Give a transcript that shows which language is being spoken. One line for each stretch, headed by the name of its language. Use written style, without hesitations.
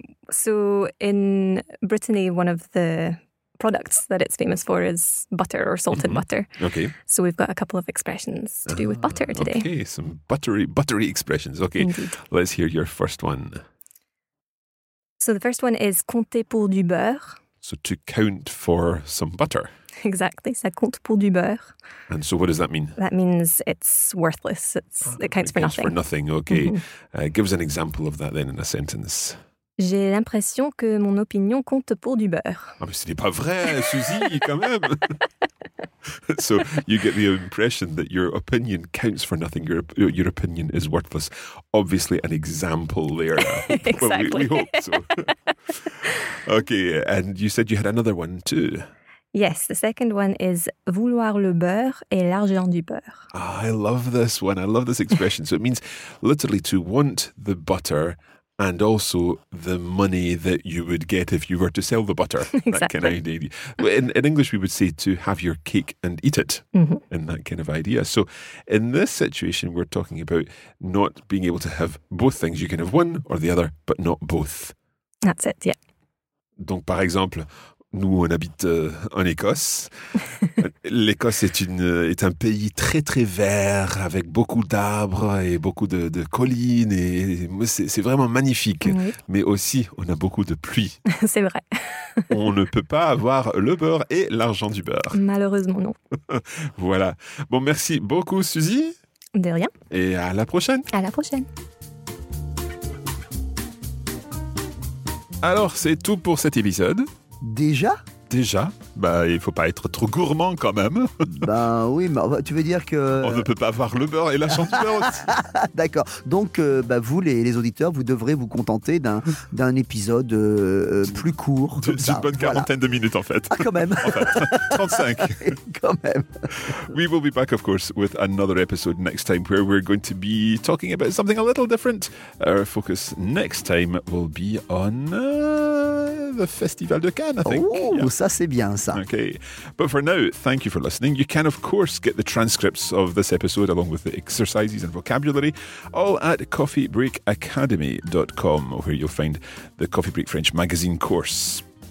English: So, in Brittany, one of the products that it's famous for is butter or salted mm-hmm. butter. Okay. So we've got a couple of expressions to do with butter today. Okay, some buttery expressions. Okay, indeed. Let's hear your first one. So the first one is
French: compter pour du beurre.
English: So to count for some butter. Exactly,
French: ça compte pour du beurre.
English: And so what does that mean? That means it's worthless. It counts for nothing. Okay. Mm-hmm. Give us an example of that then in a sentence.
French: J'ai l'impression que mon opinion compte pour du beurre. Ah, mais ce n'est pas vrai, Suzy, quand même.
English: So, you get the impression that your opinion counts for nothing. Your opinion is worthless. Obviously, an example there. Exactly. Well, we hope so. Okay, and you said you had another one too. Yes, the second one is
French: vouloir le beurre et l'argent du beurre.
English: Ah, I love this one. I love this expression. So, it means literally to want the butter and also the money that you would get if you were to sell the butter. Exactly. That kind of idea. In English, we would say to have your cake and eat it, mm-hmm. in that kind of idea. So in this situation, we're talking about not being able to have both things. You can have one or the other, but not both. That's it, yeah.
French: Donc, par exemple, nous, on habite en Écosse. L'Écosse est un pays très, très vert, avec beaucoup d'arbres et beaucoup de collines. Et c'est vraiment magnifique. Oui. Mais aussi, on a beaucoup de pluie. C'est vrai. On ne peut pas avoir le beurre et l'argent du beurre. Malheureusement, non. Voilà. Bon, merci beaucoup, Suzy. De rien. Et à la prochaine. À la prochaine. Alors, c'est tout pour cet épisode. Déjà ? Déjà ? Bah, il ne faut pas être trop gourmand quand même. Ben oui, mais tu veux dire que... On ne peut pas avoir le beurre et la chance du beurre aussi. D'accord. Donc, bah, vous, les auditeurs, vous devrez vous contenter d'un épisode plus court. D'une bonne quarantaine de minutes, en fait. Ah, quand même. En fait, 35. Quand même.
English: We will be back, of course, with another episode next time where we're going to be talking about something a little different. Our focus next time will be on the Festival de Cannes, I think. Oh, yeah.
French: Ça, c'est bien.
English: Okay. But for now, thank you for listening. You can, of course, get the transcripts of this episode along with the exercises and vocabulary all at coffeebreakacademy.com, where you'll find the Coffee Break French magazine course.